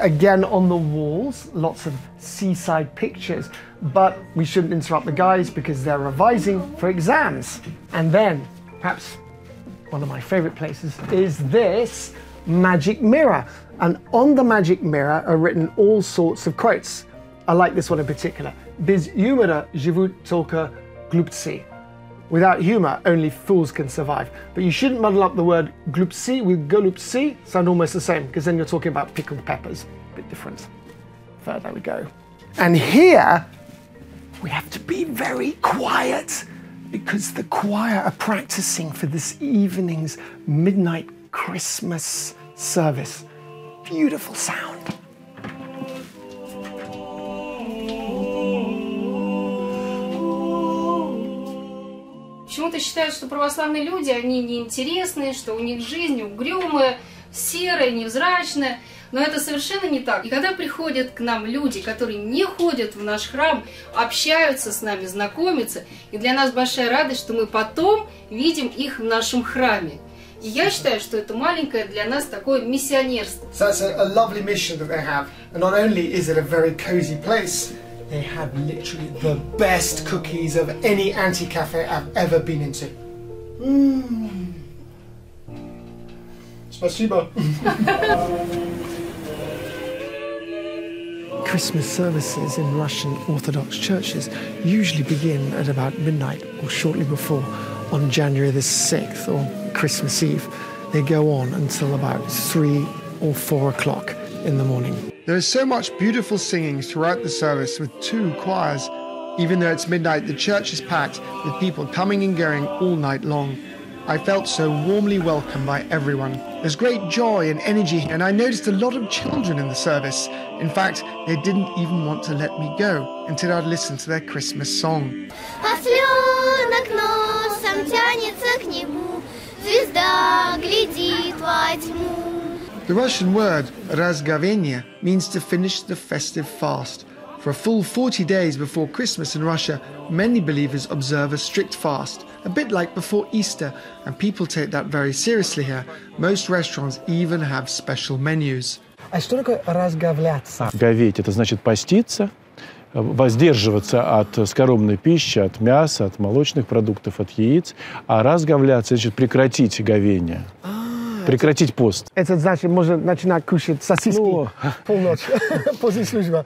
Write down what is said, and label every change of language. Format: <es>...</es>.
<en>Again, on the walls, lots of seaside pictures. But we shouldn't interrupt the guys because they're revising for exams. And then, perhaps one of my favorite places is this magic mirror. And on the magic mirror are written all sorts of quotes. I like this one in particular.</en> <ru>Без юмора живут только глупцы.</ru> <en>Without humor, only fools can survive. But you shouldn't muddle up the word глупцы with голубцы. Sound almost the same, because then you're talking about pickled peppers. A bit different. Further we go. And here, we have to be very quiet, because the choir are practicing for this evening's midnight Christmas service. Beautiful sound.</en> <ru>Почему ты считаешь, что православные люди, они неинтересные, что у них жизнь угрюмая, серая, невзрачная? Но это совершенно не так. И когда приходят к нам люди, которые не ходят в наш храм, общаются с нами, знакомятся, и для нас большая радость, что мы потом видим их в нашем храме. И я считаю, что это маленькое для нас такое миссионерство.</ru> <en>So that's a lovely mission that they have. And not only is it a very cozy place, they have literally the best cookies of any anti-cafe I've ever been into.</en> <ru>Спасибо.</ru> <en>Christmas services in Russian Orthodox churches usually begin at about midnight or shortly before on January the 6th or Christmas Eve. They go on until about 3 or 4 o'clock in the morning. There is so much beautiful singing throughout the service with two choirs. Even though it's midnight, the church is packed with people coming and going all night long. I felt so warmly welcomed by everyone. There's great joy and energy, and I noticed a lot of children in the service. In fact, they didn't even want to let me go until I'd listened to their Christmas song.</en> <ru>Ослёнок носом тянется к небу, звезда глядит во тьму.</ru> <en>The Russian word «разговение» means to finish the festive fast. For a full 40 days before Christmas in Russia, many believers observe a strict fast, a bit like before Easter, and people take that very seriously here. Most restaurants even have special menus.</en> <ru>А что такое «разговляться»? «Говеть» — это значит «поститься», воздерживаться от скоромной пищи, от мяса, от молочных продуктов, от яиц. А «разговляться» — значит «прекратить говение». Прекратить пост. Это значит, можно начинать кушать сосиски полночи после службы.</ru>